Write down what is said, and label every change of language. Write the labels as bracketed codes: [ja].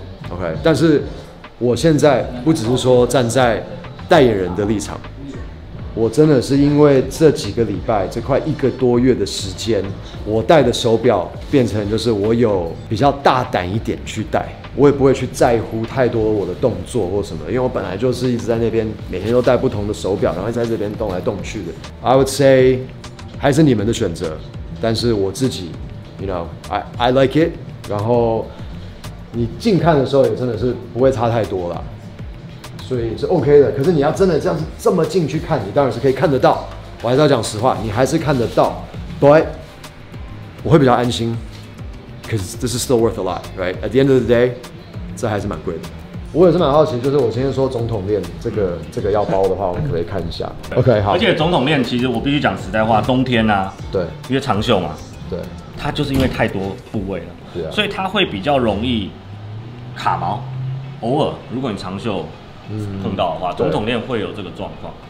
[zh] OK， 但是我现在不只是说站在代言人的立场，我真的是因为这几个礼拜，这快一个多月的时间，我戴的手表变成就是我有比较大胆一点去戴，我也不会去在乎太多我的动作或什么，因为我本来就是一直在那边每天都戴不同的手表，然后在这边动来动去的。 [en] I would say [zh] 还是你们的选择，但是我自己 [en] ，you know， I like it， [zh] 然后。你近看的时候也真的是不会差太多了，所以是 OK 的。可是你要真的这样子这么近去看，你当然是可以看得到。我还是要讲实话，你还是看得到。 [en] But [zh] 我会比较安心 [en] ，cause this is still worth a lot, right? At the end of the day， [zh] 这还是蛮贵的。我也是蛮好奇，就是我今天说总统链这个要包的话，我们可不可以看一下 ？OK， 好。而且总统链其实我必须讲实在话，冬天啊，对，因为长袖嘛，对，它就是因为太多部位了。所以它会比较容易卡毛，偶尔如果你长袖碰到的话，总统链会有这个状况。